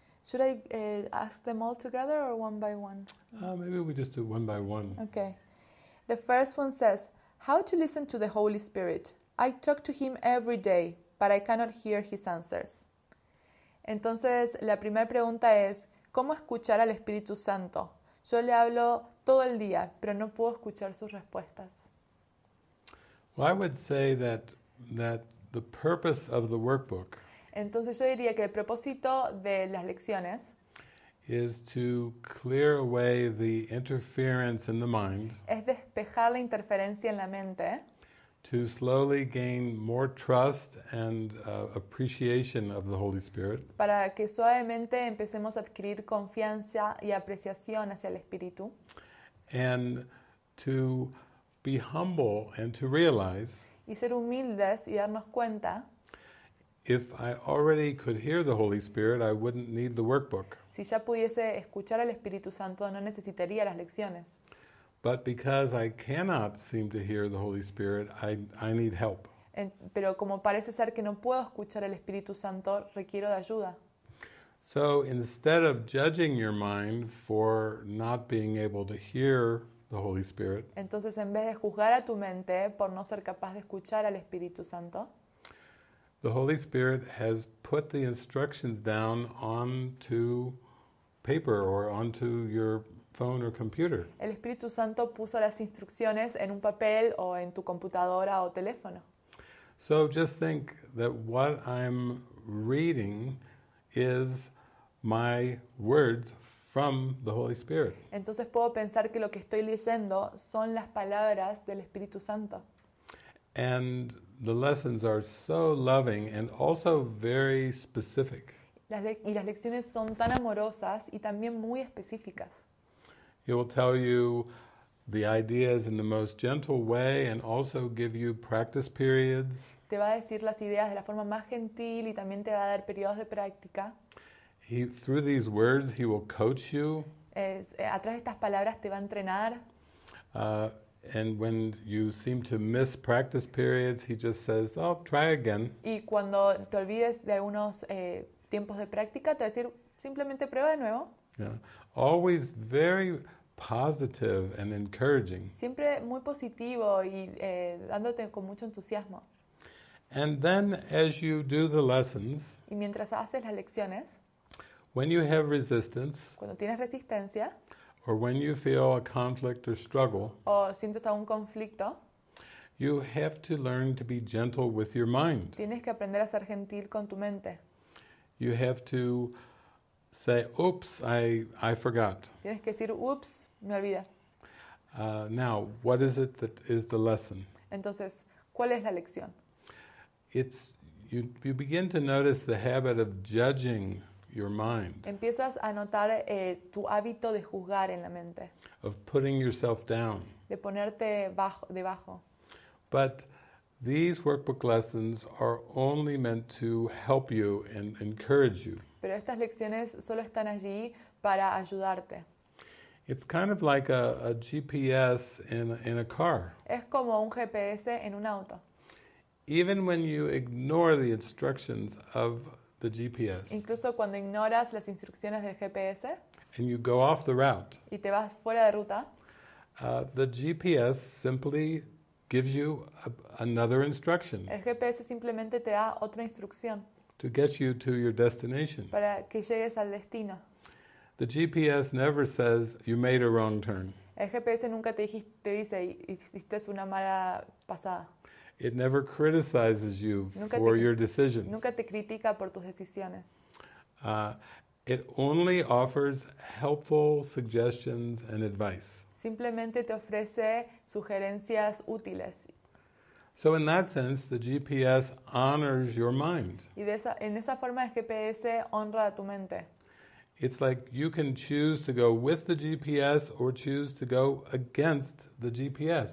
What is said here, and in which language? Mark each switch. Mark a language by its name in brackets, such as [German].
[English] Should I ask them all together or one by one? Maybe we just do one by one. Okay. The first one says, how to listen to the Holy Spirit? I talk to him every day, but I cannot hear his answers. [Spanish] Entonces, la primera pregunta es, ¿cómo escuchar al Espíritu Santo? Yo le hablo todo el día, pero no puedo escuchar sus respuestas. [English] Well, I would say that the purpose of the workbook. [Spanish] Entonces yo diría que el propósito de las lecciones [English] is to clear away the interference in the mind. [Spanish] Es despejar la interferencia en la mente. [English] To slowly gain more trust and appreciation of the Holy Spirit. [Spanish] Para que suavemente empecemos a adquirir confianza y apreciación hacia el Espíritu. [English] And to be humble and to realize. [Spanish] Y ser humildes y darnos cuenta. [English] If I already could hear the Holy Spirit, I wouldn't need the workbook. [Spanish] Si ya pudiese escuchar al Espíritu Santo, no necesitaría las lecciones. [English] But because I cannot seem to hear the Holy Spirit, I need help. [Spanish] Pero como parece ser que no puedo escuchar al Espíritu Santo, requiero de ayuda. [English] So instead of judging your mind for not being able to hear the Holy Spirit. [Spanish] Entonces en vez de juzgar a tu mente por no ser capaz de escuchar al Espíritu Santo. [English] The Holy Spirit has put the instructions down onto paper or onto your phone or computer. [Spanish] El Espíritu Santo puso las instrucciones en un papel o en tu computadora o teléfono. [English] So just think that what I'm reading is my words from the Holy Spirit. [Spanish] Entonces puedo pensar que lo que estoy leyendo son las palabras del Espíritu Santo. [English] And the lessons are so loving and also very specific. [Spanish] Y las lecciones son tan amorosas y también muy específicas. [English] It will tell you the ideas in the most gentle way and also give you practice periods. [Spanish] Te va a decir las ideas de la forma más gentil y también te va a dar periodos de práctica. [English] Through these words, he will coach you. [Spanish] A través de estas palabras te va a entrenar. [English] And when you seem to miss practice periods, he just says, oh, try again. [Spanish] Y cuando te olvides de algunos tiempos de práctica, te va a decir, simplemente prueba de nuevo. [English] Yeah. Always very positive and encouraging. [Spanish] Siempre muy positivo y dándote con mucho entusiasmo. [English] And then as you do the lessons, [Spanish] y mientras haces las lecciones, [English] when you have resistance, [Spanish] cuando tienes resistencia, [English] or when you feel a conflict or struggle, [Spanish] o sientes algún conflicto, [English] you have to learn to be gentle with your mind. [Spanish] Tienes que aprender a ser gentil con tu mente. [English] You have to say, oops, I forgot. [Spanish] Tienes que decir, oops, me olvidé. [English] Now, what is it that is the lesson? [Spanish] Entonces, ¿cuál es la lección? [English] It's, you begin to notice the habit of judging your mind. [Spanish] Empiezas a notar tu hábito de juzgar en la mente. [English] Of putting yourself down. [Spanish] De ponerte bajo, debajo. [English] But these workbook lessons are only meant to help you and encourage you. [Spanish] Pero estas lecciones solo están allí para ayudarte. [English] It's kind of like a GPS in a car. [Spanish] Es como un GPS en un auto. [English] Even when you ignore the instructions of the GPS. [Spanish] Incluso cuando ignoras las instrucciones del GPS. [English] And you go off the route. [Spanish] Y te vas fuera de ruta. [English] The GPS simply gives you another instruction. [Spanish] El GPS simplemente te da otra instrucción. [English] To get you to your destination. [Spanish] Para que llegues al destino. [English] The GPS never says you made a wrong turn. [Spanish] El GPS nunca te dice hiciste una mala pasada. [English] It never criticizes you for your decisions. [Spanish] Nunca te critica por tus decisiones. [English] It only offers helpful suggestions and advice. [Spanish] Simplemente te ofrece sugerencias útiles. [English] So in that sense, the GPS honors your mind. [Spanish] Y de esa, en esa forma el GPS honra a tu mente. [English] It's like you can choose to go with the GPS or choose to go against the GPS.